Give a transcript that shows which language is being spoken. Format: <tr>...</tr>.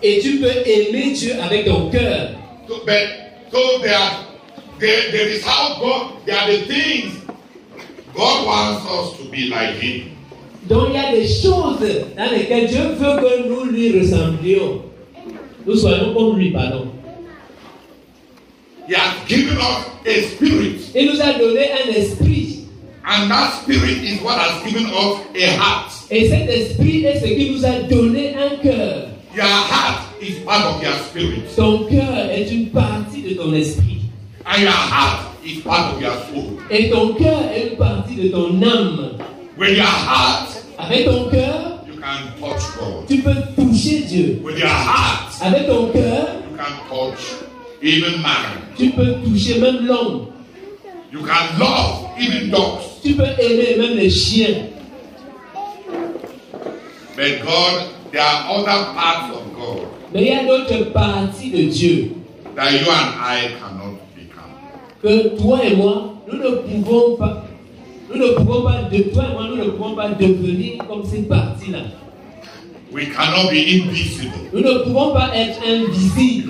<fr>Et tu peux aimer Dieu avec ton cœur.</fr> <en>So, but, so there is how God, there are the things God wants us to be like Him.</en> <fr>Donc il y a des choses dans lesquelles Dieu veut que nous lui ressemblions. Nous soyons comme lui, pardon.</fr> <en>He has given us a spirit.</en> <fr>Il nous a donné un esprit.</fr> <en>And that spirit is what has given us a heart.</en> <fr>Et cet esprit est ce qui nous a donné un cœur.</fr> <en>Your heart is part of your spirit.</en> <fr>Ton cœur est une partie de ton esprit.</fr> <en>And your heart is part of your soul.</en> <fr>Et ton cœur est une partie de ton âme.</fr> <en>With your heart,</en> <fr>avec ton cœur,</fr> <en>you can touch God.</en> <fr>Tu peux toucher Dieu.</fr> <en>With your heart,</en> <fr>avec ton cœur,</fr> <en>you can touch even man.</en> <fr>Tu peux toucher même l'homme.</fr> <en>You can love even dogs.</en> <fr>Tu peux aimer même les chiens.</fr> <en>But God, there are other parts of God.</en> <fr>Mais il y a d'autres parties de Dieu.</fr> <en>That you and I cannot become.</en> <fr>Que toi et moi, nous ne pouvons pas. Nous ne pouvons pas de toi et moi, nous ne pouvons pas devenir comme cette partie-là.</fr> <en>We cannot be invisible.</en> <fr>Nous ne pouvons pas être invisibles.</fr>